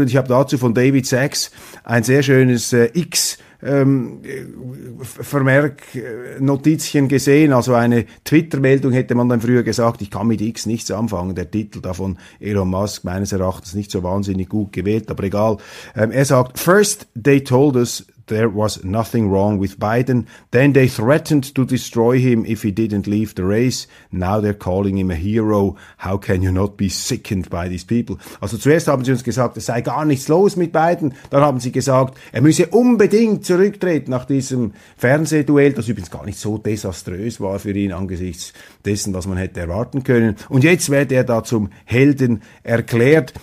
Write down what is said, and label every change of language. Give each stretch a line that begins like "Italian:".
German: Und ich habe dazu von David Sachs ein sehr schönes X Vermerk-Notizchen gesehen, also eine Twitter-Meldung, hätte man dann früher gesagt. Ich kann mit X nichts anfangen, der Titel davon Elon Musk, meines Erachtens nicht so wahnsinnig gut gewählt, aber egal. Er sagt:
English: First they told us there was nothing wrong with Biden, then they threatened to destroy him if he didn't leave the race, now they're calling him a hero, how can you not be sickened by these people?
German: Also zuerst haben sie uns gesagt, es sei gar nichts los mit Biden, dann haben sie gesagt, er müsse unbedingt zurücktreten nach diesem Fernsehduell, das übrigens gar nicht so desaströs war für ihn angesichts dessen, was man hätte erwarten können, und jetzt werde er da zum Helden erklärt.